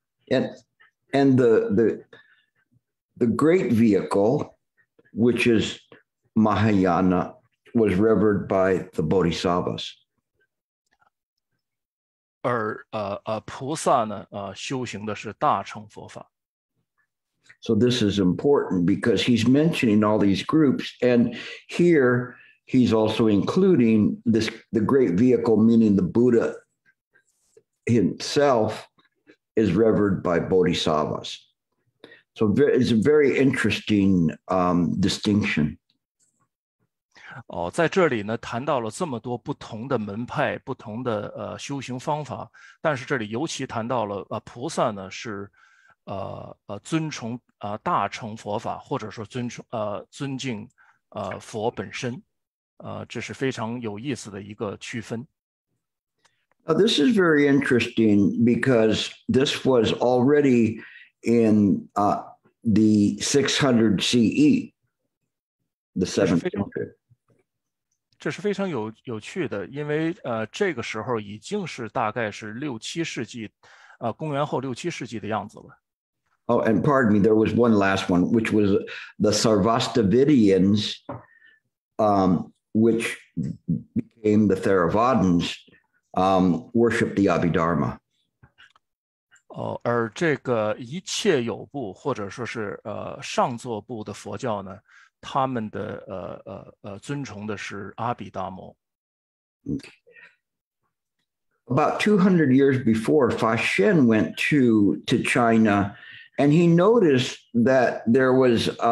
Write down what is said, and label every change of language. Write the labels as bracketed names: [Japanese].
[English] And the great vehicle, which is Mahayana, was revered by the Bodhisattvas. [Chinese] 而菩萨呢，修行的是大乘佛法。 [English] So this is important because he's mentioning all these groups, and here he's also including this the great vehicle, meaning the Buddha himself. Is revered by bodhisattvas. So it's a very interesting distinction. [Chinese] 在这里呢，谈到了这么多不同的门派，不同的修行方法，但是这里尤其谈到了菩萨呢是尊崇大乘佛法，或者说尊敬佛本身，这是非常有意思的一个区分。 [English] This is very interesting because this was already in the 600 CE, the 700. [Chinese] 这是非常有趣的，因为这个时候已经是大概是六七世纪，公元后六七世纪的样子了。 [English] Oh, and pardon me, there was one last one, which was the Sarvastivadians, which became the Theravadins. Worship the Abhidharma. [Chinese] 而这个一切有部或者说是上座部的佛教呢，他们的尊崇的是阿比达摩。 [English] About 200 years before, Fa Xian went to China, and he noticed that there was